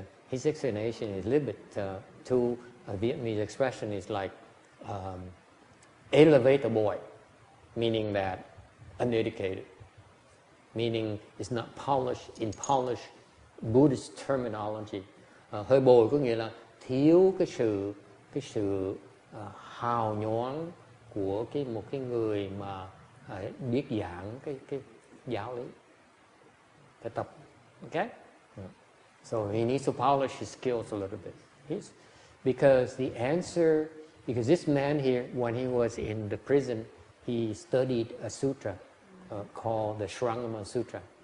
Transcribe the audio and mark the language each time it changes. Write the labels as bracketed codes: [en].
[en] His explanation is a little bit too, a Vietnamese expression is like elevator boy, meaning that uneducated, meaning it's not polished, in polished Buddhist terminology. [vi] Hơi bồi có nghĩa là thiếu cái sự hào nhoáng của cái một cái người mà biết giảng cái giáo lý, cái tập. [en] Okay? So he needs to polish his skills a little bit. Because this man here, when he was in the prison, he studied a sutra called the Sharangama Sutra.